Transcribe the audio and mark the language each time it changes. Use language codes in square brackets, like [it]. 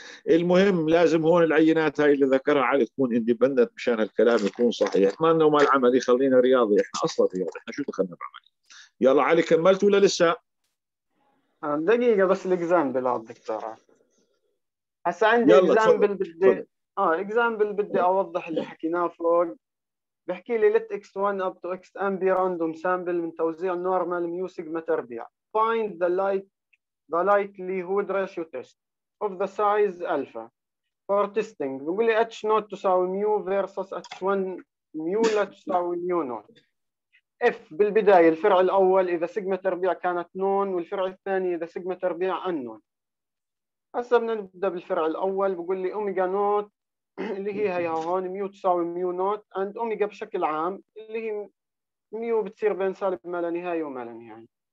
[ar] المهم لازم هون العينات هاي اللي ذكرها علي تكون independent مشان الكلام يكون صحيح. ما لنا وما العملي، خلينا رياضي، إحنا أصلا رياضي، إحنا شو دخلنا بعملي. يلا علي كملت ولا لسه؟ دقيقة بس الإجزام بلعب دكتورة هسا عندي إجزام بالبداية. اكزامبل بدي اوضح اللي حكيناه فوق. بحكي لي [en] let x1 up to xn be random sample [ar] من توزيع normal mu sigma تربيع. [en] Find the likelihood ratio test of the size alpha for testing. [ar] بقول لي h0 تساوي mu versus h1 mu لا تساوي mu0. F بالبداية الفرع الأول إذا sigma تربيع كانت known والفرع الثاني إذا sigma تربيع unknown. هسا بنبدأ بالفرع الأول، بقول لي أوميجا نوت اللي هي هيها هون ميو تساوي ميو نوت and أوميجا بشكل عام اللي هي ميو بتصير بين سالب ما لا نهاية وما لا نهاية.